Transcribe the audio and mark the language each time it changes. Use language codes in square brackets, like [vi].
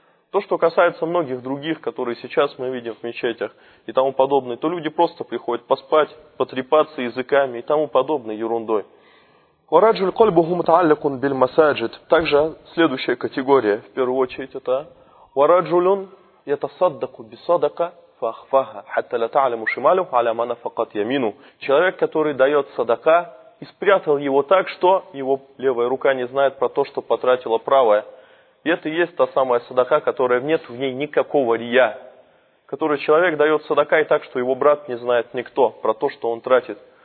[ru] То, что касается многих других, которые сейчас мы видим в мечетях и тому подобное, то люди просто приходят поспать, потрепаться языками и тому подобной ерундой. [ar] Вараджуль кольбуху мутааллякун биль масаджид. [ru] Также следующая категория, в первую очередь, это вараджулюн [ar] يتصدق بصدقة فأخفاها حتى لا تعلم شماله على ما نفقت يمينه. [ru] Человек, который дает صدقة, и спрятал его так, что его левая рука не знает про то, что потратила правая. И это и есть та самая садака, которая нет в ней никакого рия. Который человек дает садака и так, что его брат не знает никто про то, что он тратит.